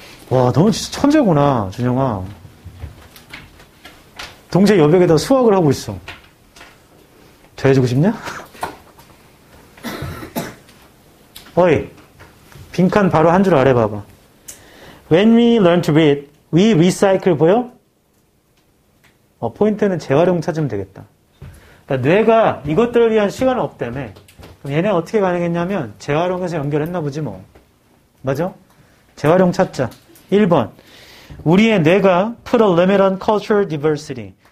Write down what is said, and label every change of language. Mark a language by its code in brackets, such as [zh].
[ko] 와, 너는 진짜 천재구나, 준영아. 동제 여백에다 수학을 하고 있어. 잘해주고 싶냐? 어이, 빈칸 바로 한 줄 아래 봐봐. [en] When we learn to read, we recycle, [ko] 보여? 어, 포인트는 재활용 찾으면 되겠다. 그러니까 뇌가 이것들을 위한 시간은 없다며. 그럼 얘네 어떻게 가능했냐면, 재활용해서 연결했나 보지, 뭐. 맞아? 재활용 찾자. 1번, 우리의 뇌가 [en] put a limit on cultural diversity.